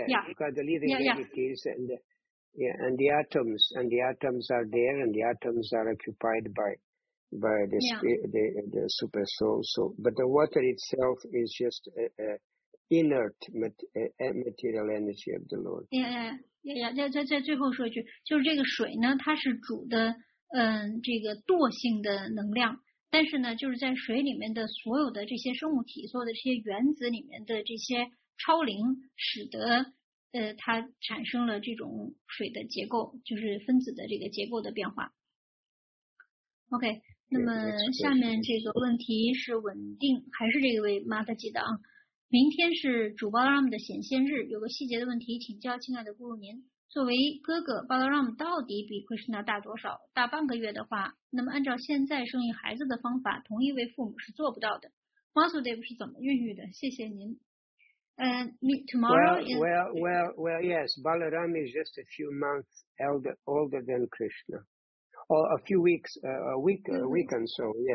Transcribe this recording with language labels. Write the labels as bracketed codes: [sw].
[en] Because the living entities and. And the atoms are there, and the atoms are occupied by the super soul. So, but the water itself is just inert material energy of the Lord. Yeah. [zh] 再最后说一句，就是这个水呢，它是主的这个惰性的能量。但是呢，就是在水里面的所有的这些生物体，所有的这些原子里面的这些超灵，使得。它产生了这种水的结构，就是分子的这个结构的变化。 OK， 那么下面这个问题是稳定，还是这位马德吉的啊？明天是主巴拉姆的显现日，有个细节的问题请教亲爱的姑姑您。作为哥哥，巴拉姆到底比奎什纳大多少？大半个月的话，那么按照现在生育孩子的方法，同一位父母是做不到的。 Vasudev 是怎么孕育的？谢谢您。 [en] Yes, Balaram is just a few months older than Krishna. Or a few weeks, a week and so.